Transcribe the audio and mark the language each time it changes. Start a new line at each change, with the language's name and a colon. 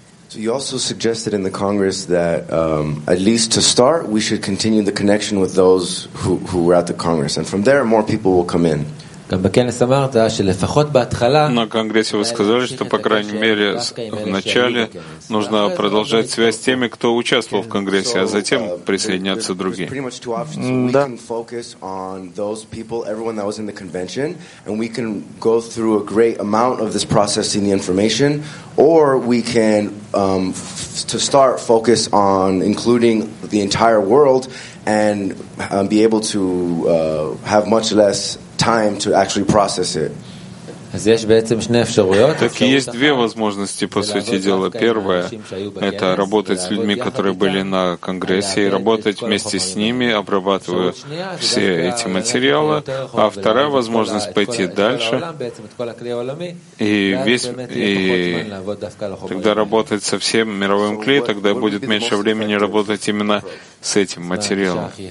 English: So you also suggested in the Congress that at least to start, we should continue the connection with those who were at the Congress, and from there more people will come in.
Russian: На конгрессе вы сказали, что, по крайней мере, в начале нужно продолжать связь с теми, кто участвовал в конгрессе, а затем присоединяться другие. Да.
English: We can focus on those people, everyone that was in the convention, and we can go through a great amount of this processing the information, or we can, to start, focus on including the entire world and be able to have much less time to actually process it.
Russian: Так есть две возможности, по сути дела. Первое — это работать с людьми, которые были на конгрессе, и работать вместе с ними, обрабатывая все эти материалы. А вторая возможность — пойти дальше и тогда работать со всем мировым кли, тогда будет меньше времени работать именно с этим материалом.